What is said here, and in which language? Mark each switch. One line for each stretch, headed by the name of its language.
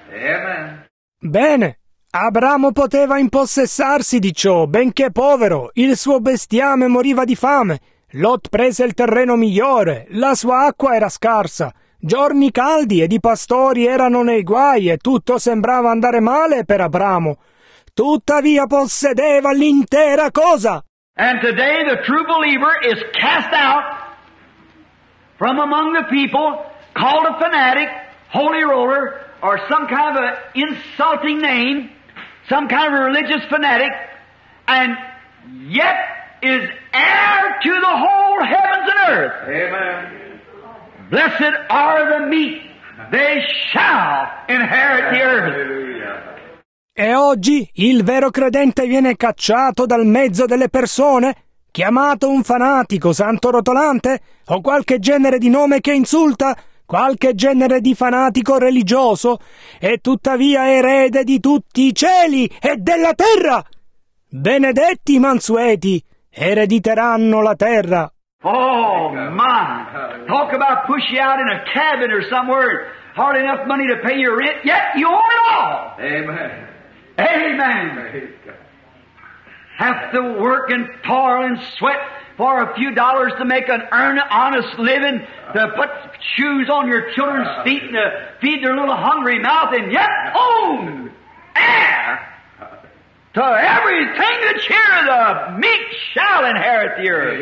English: Amen.
Italian: Bene. Abramo poteva impossessarsi di ciò, benché povero, il suo bestiame moriva di fame. Lot prese il terreno migliore, la sua acqua era scarsa, giorni caldi ed i pastori erano nei guai e tutto sembrava andare male per Abramo. Tuttavia possedeva l'intera cosa.
English: And today the true believer is cast out from among the people, called a fanatic, holy roller, or some kind of an insulting name, some kind of a religious fanatic, and yet is heir to the whole heavens and earth. Amen. Blessed are the meek. They shall inherit the earth.
Italian: E oggi il vero credente viene cacciato dal mezzo delle persone, chiamato un fanatico, santo rotolante, o qualche genere di nome che insulta, qualche genere di fanatico religioso, e tuttavia erede di tutti i cieli e della terra. Benedetti mansueti erediteranno la terra.
English: Oh my, talk about push you out in a cabin or somewhere, hard enough money to pay your rent, yet you own it all. Amen. Amen. Have to work and toil and sweat for a few dollars to make an earned, honest living, to put shoes on your children's feet and to feed their little hungry mouth, and yet own air to everything the cheer of the meek shall inherit the earth.